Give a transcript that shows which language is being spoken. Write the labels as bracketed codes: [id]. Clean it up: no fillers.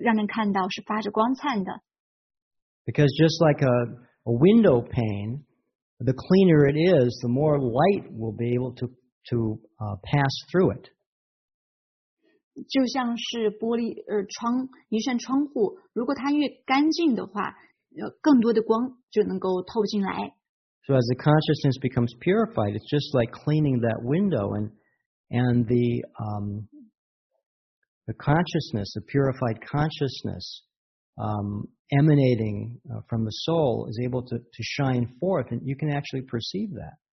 [zh] 所以呢，当一个人严格的去追随这些原则的时候，这些原则就能够自然的把它提升到善良心态。那这种善良心态也会从他的面相上表现出来，就让人看到是发着光灿的。 [en] Because just like a window pane, the cleaner it is, the more light will be able to pass through it. [zh] 就像是玻璃窗，一扇窗户，如果它越干净的话，更多的光就能够透进来。 [en] So as the consciousness becomes purified, it's just like cleaning that window, and the consciousness, the purified consciousness, emanating from the soul, is able to shine forth, and you can actually perceive that.